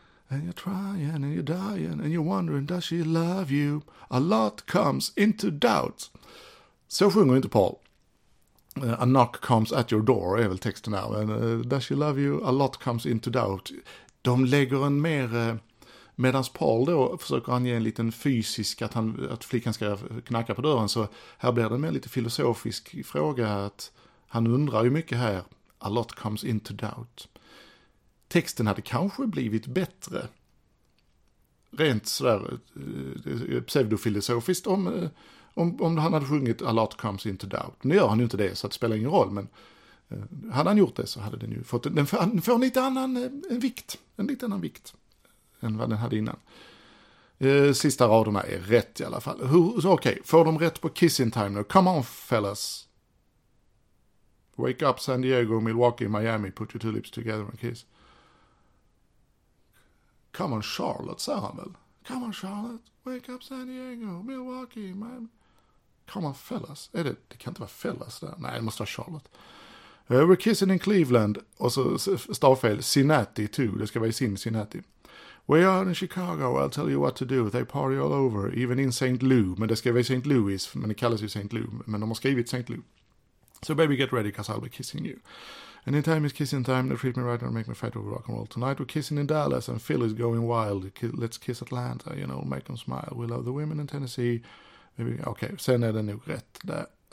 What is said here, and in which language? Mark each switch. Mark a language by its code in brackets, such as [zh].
[en] And you're trying and you're dying and you're wondering, does she love you? A lot comes into doubt. [sv] Så sjunger inte Paul. [en] A knock comes at your door [sv] är väl texten här. [en] Does she love you? A lot comes into doubt. [sv] De lägger en mer, medan Paul då försöker ange en liten fysisk, att flickan ska knacka på dörren. Så här blir det en mer lite filosofisk fråga, att han undrar ju mycket här. [en] A lot comes into doubt. [sv] Texten hade kanske blivit bättre, rent sådär pseudofilosofiskt, om han hade sjungit A lot comes into doubt. Nu gör han ju inte det, så det spelar ingen roll, men hade han gjort det så hade den ju fått... Den får en lite annan vikt, en lite annan vikt än vad den hade innan. Sista raderna är rätt i alla fall. Okej, får de rätt på Kissing Time nu? [en] Come on, fellas! Wake up San Diego, Milwaukee, Miami, put your two lips together and kiss. Come on, [sv] Charlotte, säger han väl. [en] Come on, Charlotte. Wake up, San Diego. Milwaukee, man. Come on, fellas. [sv] Är det? Det kan inte vara fellas där. Nej, det måste vara Charlotte. [en] We're kissing in Cleveland. [sv] Och så stavfel. [en] Cincinnati, too. [sv] Det ska vara i Cincinnati. [en] We are in Chicago. I'll tell you what to do. They party all over. Even in St. Louis. [sv] Men det ska vara i St. Louis. [en] Men det kallas ju St. Louis. Men de har skrivit St. Louis. So baby, get ready, because I'll be kissing you. Anytime is kissing time, they treat me right and make me fight over rock and roll. Tonight we're kissing in Dallas and Philly's going wild. Let's kiss Atlanta, you know, make them smile. We love the women in Tennessee. [sv] Maybe, okay, sen är det nog rätt där.